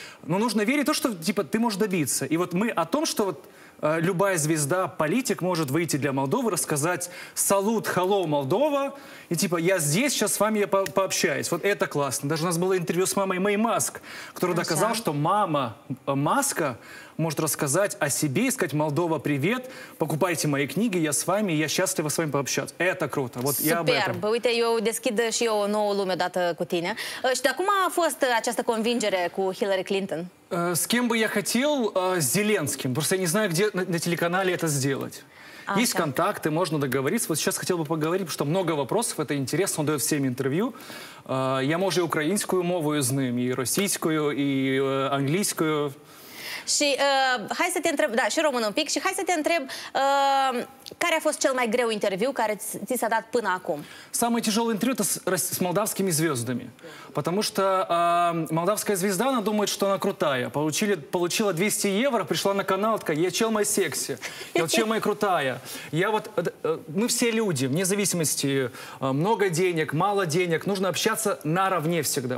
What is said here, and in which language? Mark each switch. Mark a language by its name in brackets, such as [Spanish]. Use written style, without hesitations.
[Russian] Но нужно верить в то, что типа, ты можешь добиться. И вот мы о том, что вот любая звезда, политик может выйти для Молдовы, рассказать салют, hello, Молдова, и типа, я здесь, сейчас с вами я пообщаюсь. Вот это классно. Даже у нас было интервью с мамой Мэй Маск, которая доказала, что мама Маска может рассказать о себе, искать Молдова, привет, покупайте мои книги, я с вами, я счастлива с вами пообщаться. Это круто. Вот супер. Я об этом. Супер. [Romanian] Uite, eu deschid și eu o nouă lume odată cu tine. Și de acum a fost această convingere cu Hillary Clinton? [Russian] С кем бы я хотел? С Зеленским. Просто я не знаю, где на телеканале это сделать. Есть контакты, можно договориться. Вот сейчас хотел бы поговорить, потому что много вопросов, это интересно, он дает всем интервью. Я, может, и украинскую мову я знаю, и российскую, и английскую. [Romanian] Și hai să te întreb, da, și român un pic, și hai să te întreb care a fost cel mai greu interviu care ți s-a dat până acum? [Russian] Самый тяжелый интервью с молдавскими звездами. Потому что молдавская звезда, она думает, что она крутая. Получила 200 евро, пришла на канал, такая, я [Romanian] чел май секси, [Russian] я [Romanian] чел май крутая. [Russian] Я вот, мы все люди, вне зависимости, много денег, мало денег, нужно общаться наравне всегда.